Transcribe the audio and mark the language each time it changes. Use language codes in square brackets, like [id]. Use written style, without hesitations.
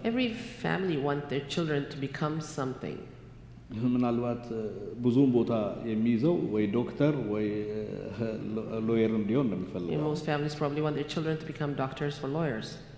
[en] Every family wants their children to become something. [am] ምናልባት ብዙውን ቦታ የሚይዘው ወይ ዶክተር ወይ ሎየር እንዲሆን ነው የሚፈልገው. [en] Most families probably want their children to become doctors or lawyers.